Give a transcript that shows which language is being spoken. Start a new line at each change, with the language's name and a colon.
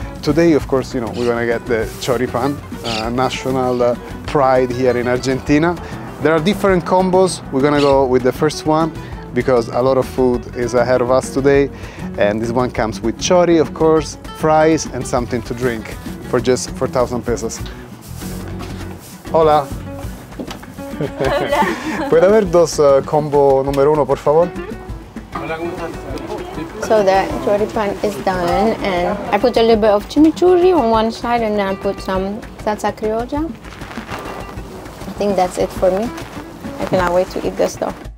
English: Today, of course, you know, we're gonna get the choripan, national pride here in Argentina. There are different combos. We're gonna go with the first one, because a lot of food is ahead of us today. And this one comes with chori, of course, fries, and something to drink for just 4,000 pesos.
Spanish: Hola. Hola. ¿Puedo ver dos combo número uno, por favor?
English: So the chori pan is done, and I put a little bit of chimichurri on one side, and then I put some salsa criolla. I think that's it for me. I cannot wait to eat this, though.